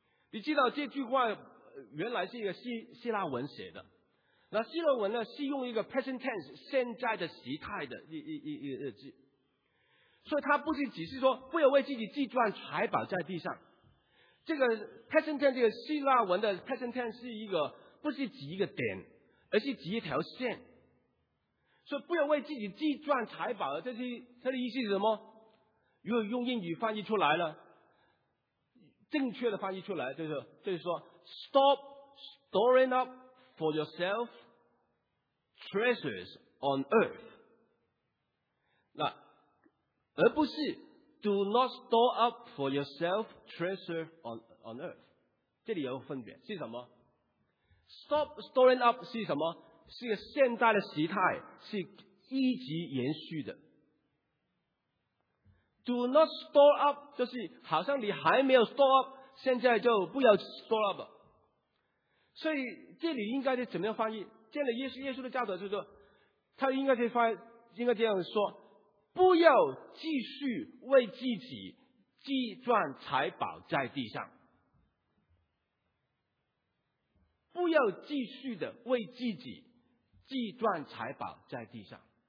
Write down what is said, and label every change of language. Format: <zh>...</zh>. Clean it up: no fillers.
<zh>你知道这句话原来是一个希腊文写的，那希腊文呢是用一个 present tense 现在的时态的一个字，所以它不是只是说不要为自己积攒财宝在地上。这个 present tense 这个希腊文的 present tense 是一个不是指一个点，而是指一条线。所以不要为自己积攒财宝，这个意思是什么？如果用英语翻译出来了，正确的翻译出来就是说</zh> <en>Stop storing up for yourself treasures on earth，</en> <zh>那而不是</zh> <en>Do not store up for yourself treasure on earth。</en> <zh>这里有分别是什么？</zh> <en>Stop storing up</en> <zh>是什么？是个现代的时态，是一直延续的。</zh> <en>Do not store up</en> <zh>就是好像你还没有 store up， 现在就不要 store up。所以这里应该是怎么样翻译？见了耶稣的教导，就是说他应该是翻应该这样说，不要继续为自己积攒财宝在地上，不要继续的为自己积攒财宝在地上。</zh>